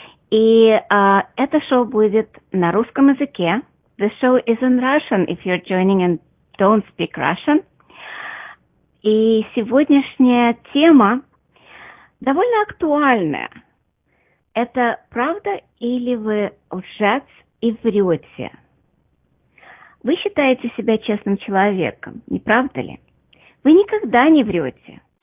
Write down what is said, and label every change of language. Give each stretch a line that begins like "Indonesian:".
Russian: И это шоу будет на русском языке.
English: The show is in Russian, if you're joining and don't speak Russian.
Russian: И сегодняшняя тема довольно актуальная. Это правда или вы лжец и врете? Вы считаете себя честным человеком, не правда ли? Вы никогда не врете.